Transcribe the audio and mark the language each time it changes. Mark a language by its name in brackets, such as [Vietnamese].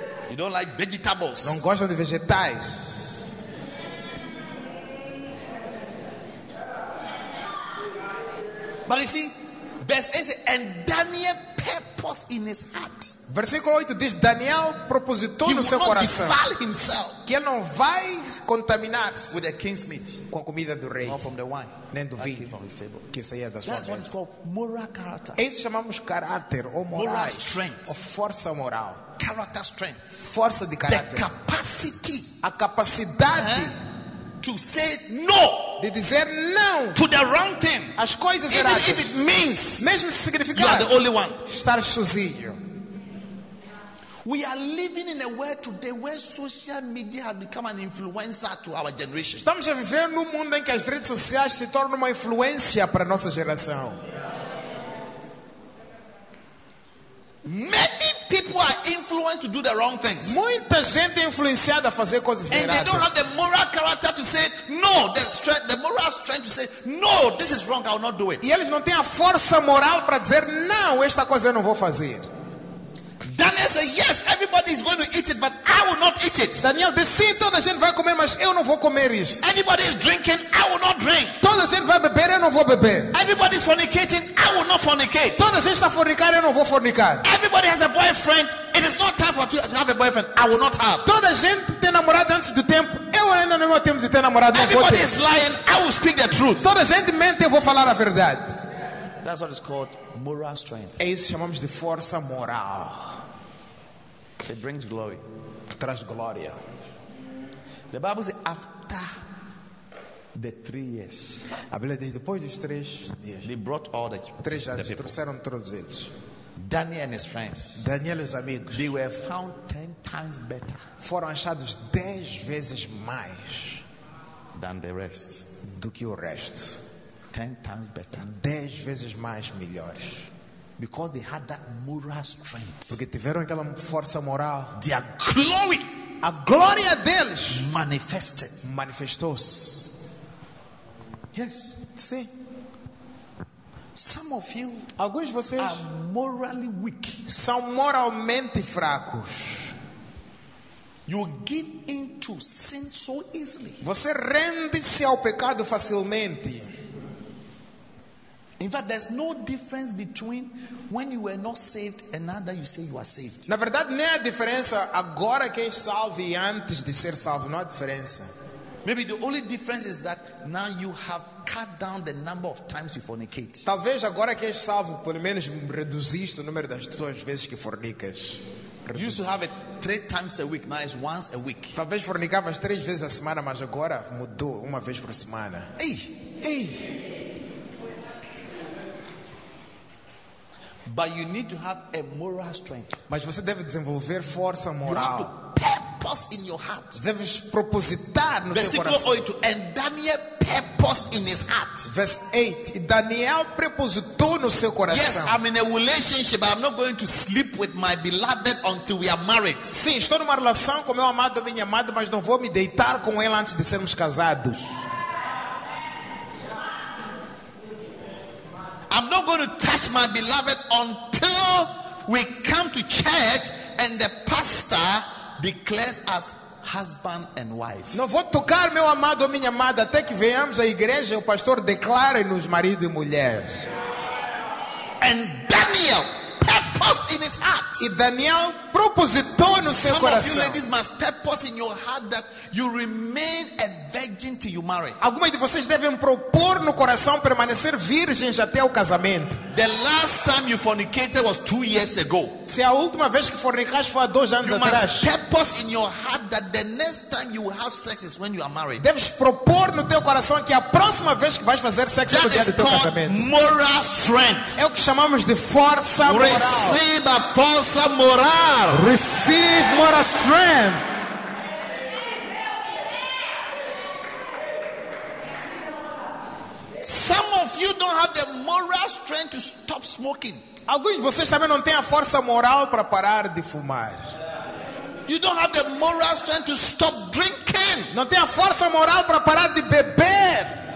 [English] You don't like vegetables. [Portuguese] Não gostam de vegetais. [English] But you see, verse 8 says, and Daniel purposed in his heart. [Portuguese] Versículo 8 diz, Daniel propositou no seu coração que ele não vai contaminar-se [English] with the king's meat, [Portuguese] com a comida do rei, [English] not from the wine, [Portuguese] nem do vinho [English] from his table. [Portuguese] Que saía da sua mesa. [English] What is called moral character. [Portuguese] Isso chamamos caráter ou moral [English] strength, [Portuguese] ou força moral. [English] Character strength, [Portuguese] força de caráter. [English] The capacity, [Portuguese] a capacidade [English] to say no, [Portuguese] de dizer não [English] to the wrong thing, [Portuguese] as coisas [English] even [Portuguese] erradas, [English] if it means, [Portuguese] mesmo se significar, [English] you are the only one, [Portuguese] estar sozinho. [English] We are living in a world today where social media has become an influencer to our generation. [Portuguese] Estamos a viver num mundo em que as redes sociais se tornam uma influência para a nossa geração. [English] Many people are influenced to do the wrong things. [Portuguese] Muita gente é influenciada a fazer coisas erradas. [English] And they don't have the moral character to say no, the strength, the moral strength to say no, this is wrong, I will not do it. [Portuguese] E eles não têm a força moral para dizer não, esta coisa eu não vou fazer. [English] Daniel said, "Yes, everybody is going to eat it, but I will not eat it." [Portuguese] Daniel disse, toda a gente vai comer, mas eu não vou comer isso. [English] Everybody is drinking, I will not drink. [Portuguese] Toda a gente vai beber, eu não vou beber. [English] Everybody is fornicating, I will not fornicate. [Portuguese] Toda a gente está fornicando, eu não vou fornicar. [English] Everybody has a boyfriend, it is not time for to have a boyfriend, I will not have. [Portuguese] Toda a gente tem namorado antes do tempo, eu ainda não tenho tempo de ter namorado. [English] Everybody [Portuguese] vou ter. [English] Is lying, I will speak the truth. [Portuguese] Toda a gente mente, eu vou falar a verdade. [English] That's what is called moral strength. [Portuguese] É isso que chamamos de força moral. [English] It brings glory. [Portuguese] Traz glória. [English] The Bible says after the 3 years. [Portuguese] A Bíblia diz depois dos 3 dias. [English] They brought all the [Portuguese] três anos, trouxeram todos eles. [English] Daniel and his friends. [Portuguese] Daniel e os amigos. [English] They were found 10 times better. [Portuguese] Foram achados 10 vezes mais [English] than the rest. [Portuguese] Do que o resto. [English] 10 times better. [Portuguese] 10 vezes mais melhores. [English] Because they had that moral strength. [Portuguese] Porque tiveram aquela força moral. [English] Their glory, [Portuguese] a glória deles, [English] manifested. [Portuguese] Manifestou-se. [English] Yes, see. Some of you, [Portuguese] alguns de vocês, [English] are morally weak. [Portuguese] São moralmente fracos. [English] You give into sin so easily. [Portuguese] Você rende-se ao pecado facilmente. [English] In fact, there's no difference between when you were not saved and now that you say you are saved. [Portuguese] Na verdade, nem há diferença agora que és salvo e antes de ser salvo. Não há diferença. [English] Maybe the only difference is that now you have cut down the number of times you fornicate. [Portuguese] Talvez agora que és salvo, pelo menos reduziste o número das tuas vezes que fornicas. [English] You used to have it 3 times a week. Now it's once a week. [Portuguese] Talvez fornicavas 3 vezes a semana, mas agora mudou uma vez por semana. Ei! Ei! [English] But you need to have a moral strength. [Portuguese] Mas você deve desenvolver força moral. [English] You have to purpose in your heart. [Portuguese] Deves propositar no versículo teu coração. [English] 8, and Daniel purposed in his heart. Verse 8. [Portuguese] Daniel propositou no seu coração. [English] Yes, I'm in a relationship, but I'm not going to sleep with my beloved until we are married. [Portuguese] Sim, estou numa relação com meu amado ou minha amada, mas não vou me deitar com ela antes de sermos casados. [English] I I'm not going to touch my beloved until we come to church and the pastor declares us husband and wife. [Portuguese] Não vou tocar meu amado ou minha amada até que venhamos à igreja e o pastor declare-nos marido e mulher. [English] And Daniel purposed in his heart. [Portuguese] E Daniel propositou no seu coração. [English] Some of you ladies must purpose in your heart that you remain a virgin till you marry. [Portuguese] Algumas de vocês devem propor no coração permanecer virgens até o casamento. [English] The last time you fornicated was 2 years ago. [Portuguese] Se a última vez que fornicaste foi há 2 anos [English] you [Portuguese] atrás. [English] You must purpose in your heart that the next time you will have sex is when you are married. [Portuguese] Deves propor no teu coração que a próxima vez que vais fazer sexo [English] that [Portuguese] é no dia do teu casamento. [English] Moral strength. [Portuguese] É o que chamamos de força moral. [English] Receive [Portuguese] a força moral. [English] Receive moral strength. Some of you don't have the moral strength to stop smoking. [Portuguese] Alguns de vocês também não têm a força moral para parar de fumar. [English] You don't have the moral strength to stop drinking. [Portuguese] Não tem a força moral para parar de beber.